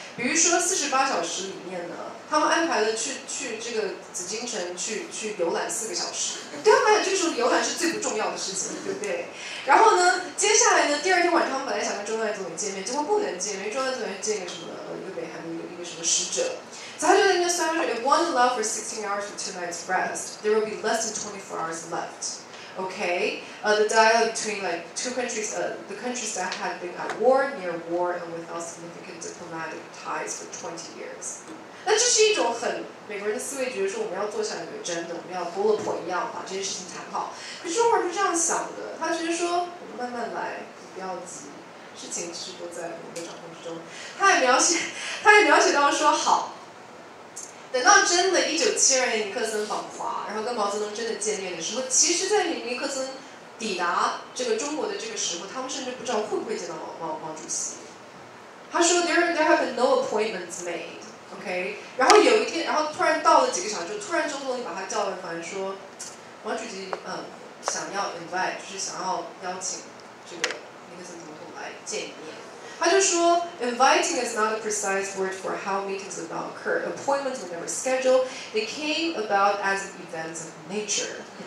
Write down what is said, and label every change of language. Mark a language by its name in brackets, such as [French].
[Chinese] 比如说48小时里面呢，他们安排了去这个紫禁城去游览4个小时，对他们来讲，这个时候游览是最不重要的事情，对不对？然后呢，接下来呢，第二天晚上他们本来想跟周恩来总理见面，结果不能见面，周恩来总理见一个什么一个北韩的一个什么使者。 [English] So how do they just imagine if one allowed for 16 hours for 2 nights rest, there will be less than 24 hours left. Okay? The dialogue between like two countries, the countries that had been at war, near war, and without significant diplomatic ties for 20 years. [Chinese] 那这是一种很美国人的思维，觉得说我们要做下一个真的，我们要 bullet point 一样把这件事情谈好。可是中国人是这样想的，他觉得说我们慢慢来，不要急。事情其实都在我们的掌控之中。他也描写到说好。等到真的1972年尼克森访华，然后跟毛泽东真的见面的时候，其实在尼克森抵达这个中国的这个时候，他们甚至不知道会不会见到毛主席。他说 [English] there have been no appointments made， OK。 [Chinese] 然后有一天，然后突然到了几个小时，突然周总理把他叫了，反而说毛主席想要 invite， 就是想要邀请这个尼克森总统来见一面。他就说 [English] inviting is not a precise word for how meetings will not occur. Appointments were never scheduled. They came about as events of nature.